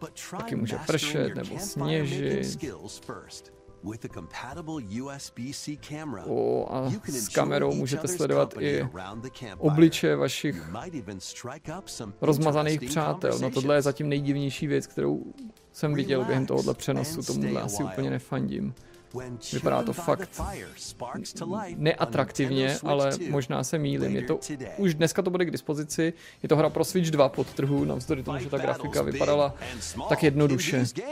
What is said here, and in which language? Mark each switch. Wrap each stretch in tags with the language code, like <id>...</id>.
<cs>Taky může pršet nebo sněžit.</cs> <en>With a compatible USB-C camera, you can enjoy each other's company around the campfire. You might even strike up some interesting conversations.</en> <cs>No, tohle je zatím nejdivnější věc, kterou jsem viděl během tohohle přenosu. Tomuhle asi úplně nefandím. Vypadá to fakt neatraktivně, ale možná se mýlím. Je to, už dneska to bude k dispozici. Je to hra pro Switch 2 pod trhu, navzdory tomu, že ta grafika vypadala tak jednoduše.</cs>